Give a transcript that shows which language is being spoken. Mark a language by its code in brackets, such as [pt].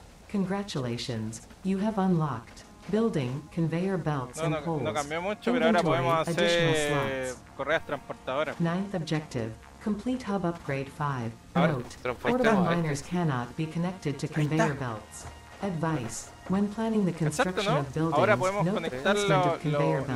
[en] Congratulations, you have unlocked building conveyor belts and holes. [es] No cambió mucho, pero ahora podemos hacer correas transportadoras. [en] Ninth objective. Complete hub upgrade 5. Note, portable miners cannot be connected to conveyor belts. Advice, when planning the construction [es] Exacto, ¿no? [en] of buildings, [es] Ahora podemos [en] note [es] conectar [en] the placement of conveyor belts.